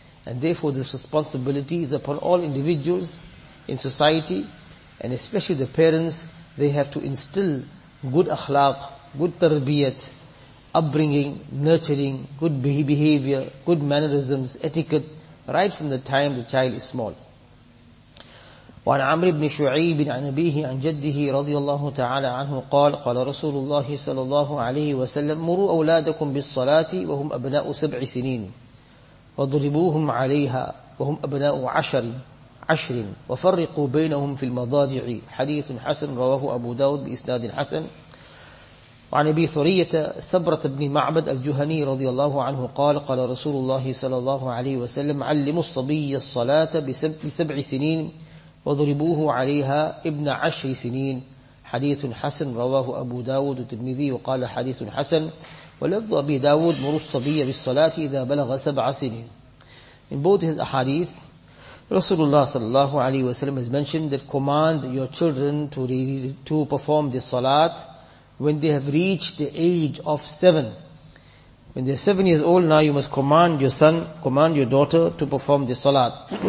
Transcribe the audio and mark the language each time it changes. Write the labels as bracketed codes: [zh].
[en] And therefore, this responsibility is upon all individuals in society. And especially the parents, they have to instill good akhlaq, good tarbiyat, upbringing, nurturing, good behavior, good mannerisms, etiquette, right from the time the child is small. [ar] وعن عمرو بن شعيب عن أبيه عن جده رضي الله تعالى عنه قال قال رسول الله صلى الله عليه وسلم مروا أولادكم بالصلاة وهم أبناء سبع سنين وضربوهم عليها وهم أبناء عشر وفرقوا بينهم في المضاجع حديث حسن رواه أبو داود بإسناد حسن وعن أبي ثرية سبرة بن معبد الجهني رضي الله عنه قال قال رسول الله صلى الله عليه وسلم علموا الصبي الصلاة بسبع سنين وضربوه عليها ابن عشر سنين حديث حسن رواه أبو داود الترمذي وقال حديث حسن ولفظ أبي داود مروا الصبي بالصلاة إذا بلغ سبع سنين. [en] In both his ahadith, Rasulullah sallallahu alayhi wa sallam has mentioned that command your children to perform the salat when they have reached the age of seven. When they are 7 years old, now you must command your son, command your daughter to perform the salat.